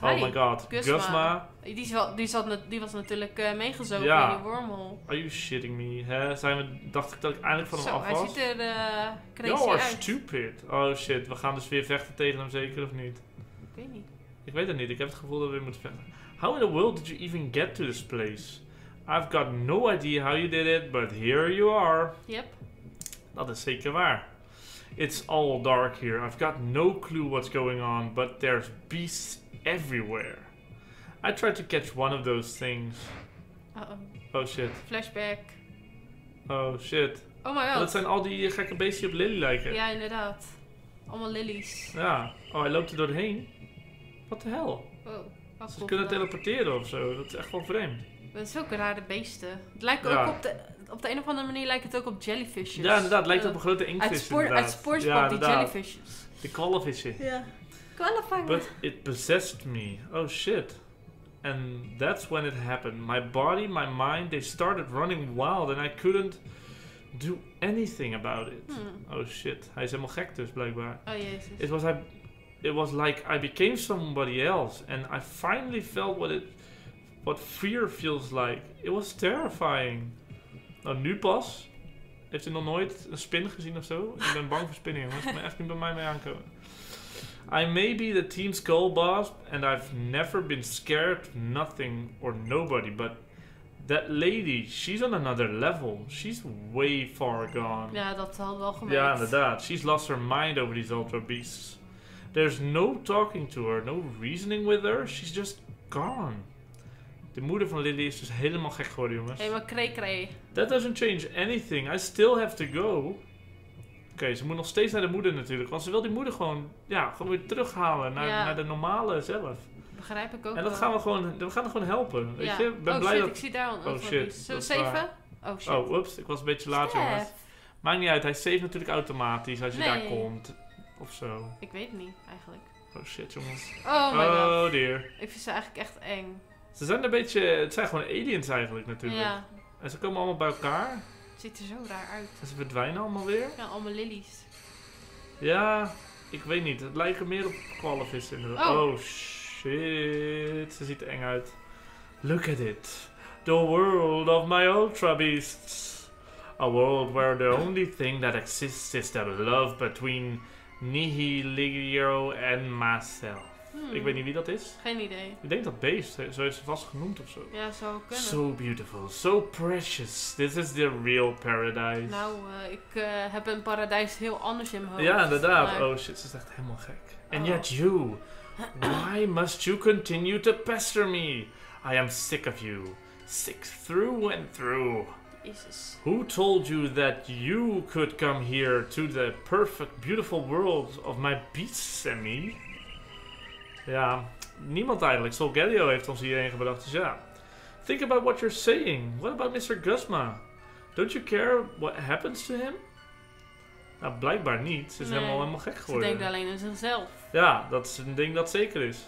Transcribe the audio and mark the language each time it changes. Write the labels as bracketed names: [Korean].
[English] Oh my god. Gusma. [Dutch] Die was natuurlijk meegezogen in die wormhole. [English] Are you shitting me? [Dutch] Dacht ik dat ik eindelijk van hem af was? Hij ziet er crazy uit. [English] You're stupid. Oh shit. [Dutch] We gaan dus weer vechten tegen hem, zeker of niet? Ik weet niet. Ik weet het niet. Ik heb het gevoel dat we weer moeten vechten. [English] How in the world did you even get to this place? I've got no idea how you did it, but here you are. Yep. [Dutch] Dat is zeker waar. [English] It's all dark here. I've got no clue what's going on, but there's beasts everywhere. I tried to catch one of those things. Uh-oh. Oh shit. Flashback. Oh shit. Oh my god. [Dutch] Dat zijn al die gekke beestjes op Lily lijken. Ja, inderdaad. Allemaal lilies. Ja. Oh, hij loopt er doorheen. [English] What the hell? Oh, [Dutch] ze kunnen teleporteren of zo. Dat is echt wel vreemd. Dat is ook rare beesten. Het lijkt ook op de... Op de een of andere manier lijkt het ook op jellyfishes. Ja, inderdaad. Lijkt op een grote inktvis. Uit SpongeBob, jellyfishes. De kwallenvissen. Ja. Kwallenvangen. [English] But it possessed me. Oh, shit. And that's when it happened. My body, my mind, they started running wild. And I couldn't do anything about it. Hmm. Oh, shit. [Dutch] Hij is helemaal gek dus, blijkbaar. Oh, jezus. [English] It was like I became somebody else. And I finally felt what fear feels like. It was terrifying. [Dutch] Nou, nu pas. Heeft u nog nooit een spin gezien of zo? Ik ben bang voor spinnen, jongens. Ik kan echt niet bij mij mee aankomen. [English] I may be the team's goal boss, and I've never been scared of nothing or nobody, but that lady, she's on another level. She's way far gone. [Dutch] Ja, dat had wel gemerkt. Ja, inderdaad. [English] She's lost her mind over these ultra beasts. There's no talking to her, no reasoning with her. She's just gone. [Dutch] De moeder van Lily is dus helemaal gek geworden, jongens. Helemaal cray cray. [English] That doesn't change anything. I still have to go. [Dutch] Oké, ze moet nog steeds naar de moeder natuurlijk. Want ze wil die moeder gewoon weer terughalen naar de normale zelf. Begrijp ik ook En dat wel. Gaan we gewoon, helpen. Weet je? Ik zie daar al een [English] shit. [Dutch] Zeven? Oh, oeps. Ik was een beetje laat, jongens. Maakt niet uit. Hij save natuurlijk automatisch als je daar komt. Of zo. Ik weet het niet, eigenlijk. [English] Oh shit, jongens. Oh, my god. Dear. [Dutch] Ik vind ze eigenlijk echt eng. Ze zijn een beetje... Het zijn gewoon aliens eigenlijk natuurlijk. Ja. En ze komen allemaal bij elkaar. Het ziet er zo raar uit. En ze verdwijnen allemaal weer. Ja, allemaal lilies. Ja, ik weet niet. Het lijken meer op kwallenvissen inderdaad. [English] Oh shit. [Dutch] Ze ziet er eng uit. [English] Look at it. The world of my ultra beasts. A world where the only thing that exists is the love between Nihiligio and myself. [Dutch] Ik weet niet wie dat is. Geen idee. Ik denk dat beest. Zo is ze vast genoemd of zo. Ja, zou kunnen. [English] So beautiful. So precious. This is the real paradise. [Dutch] Nou, ik heb een paradijs heel anders in mijn hoofd. Ja, inderdaad. Maar... [English] Oh shit, [Dutch] ze is echt helemaal gek. [English] And yet you. Why must you continue to pester me? I am sick of you. Sick through and through. Jesus. Who told you that you could come here to the perfect, beautiful world of my beasts and me? [Dutch] Ja, niemand eigenlijk. Solgaleo heeft ons hierheen gebracht, dus ja. [English] Think about what you're saying. What about Mr. Gusma? Don't you care what happens to him? [Dutch] Nou, blijkbaar niet. Ze is helemaal gek geworden. Ze denkt alleen aan zichzelf. Ja, dat is een ding dat zeker is.